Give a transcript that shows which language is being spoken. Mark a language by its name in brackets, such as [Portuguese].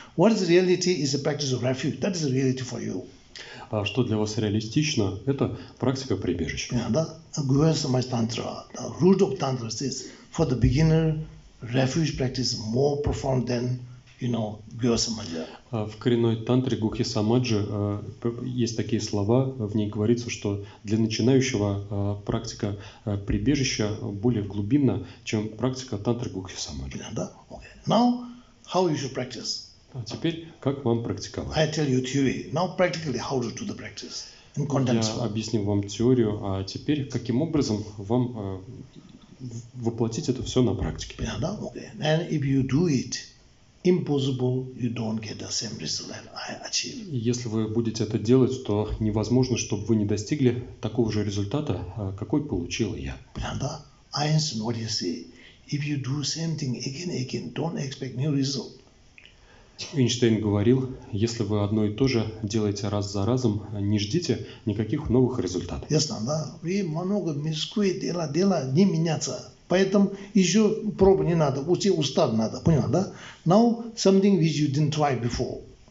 [English] What is reality is the practice of refuge. That is reality for you. [Russian] А что для вас реалистично, это практика прибежища. [English] Yeah, [Russian] да? Гуэнсамай тантра. [English] The root of tantra says, for the beginner, refuge practice is more profound than, Гуэнсамай. [Russian] А в коренной тантре Гухи Самаджи есть такие слова, в ней говорится, что для начинающего практика прибежища более глубинна, чем практика тантры Гухи Самаджи. [English] Yeah, [Russian] да? [English] Okay. Now, how you should practice? [Russian] А теперь, как вам практиковать? [English] I tell you theory. Now practically how to do the practice in [Russian] Я [English] condensed form. [Russian] объясню вам теорию, а теперь, каким образом вам воплотить это все на практике? [English] Yeah, [Russian] да? Okay. [English] And if you do it impossible, you don't get the same result that I achieve. [Russian] Если вы будете это делать, то невозможно, чтобы вы не достигли такого же результата, какой получил я. Да? [English] Einstein, what do you say? If you do same thing again and again, don't expect new result. [Russian] Эйнштейн говорил, если вы одно и то же делаете раз за разом, не ждите никаких новых результатов. Ясно, да? Вы много мешкуете, дела не меняться. Поэтому еще проб не надо, уйти устав надо, понял, да? [English] Now something which you didn't try before.